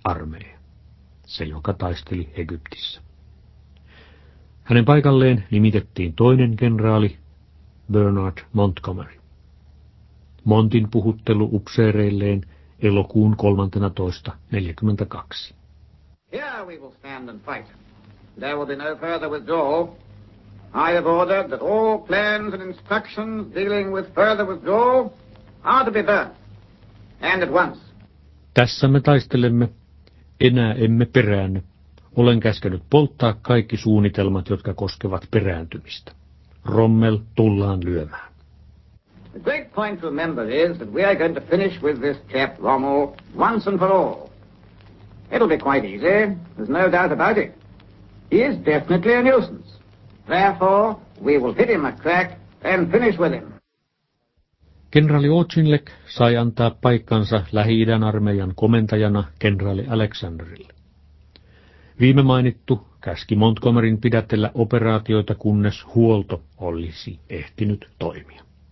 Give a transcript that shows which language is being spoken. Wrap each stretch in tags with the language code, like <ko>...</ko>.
<fi>armeija, se joka taisteli Egyptissä. Hänen paikalleen nimitettiin toinen kenraali, Bernard Montgomery. Montin puhuttelu upseereilleen elokuun 13.42.</fi> <en>Here we will stand and fight. There will be no further withdrawal. I have ordered that all plans and instructions dealing with further withdrawal are to be burnt. And at once.</en> <fi>Tässä me taistelemme. Enää emme peräänny. Olen käskenyt polttaa kaikki suunnitelmat, jotka koskevat perääntymistä. Rommel tullaan lyömään.</fi> <en>The great point to remember is that we are going to finish with this chap Rommel once and for all. It'll be quite easy. There's no doubt about it. He is definitely a nuisance. Therefore, we will hit him a crack and finish with him.</en> <fi>Kenraali Auchinleck sai antaa paikkansa Lähi-idän armeijan komentajana kenraali Alexanderille. Viime mainittu käski Montgomeryn pidätellä operaatioita, kunnes huolto olisi ehtinyt toimia.</fi>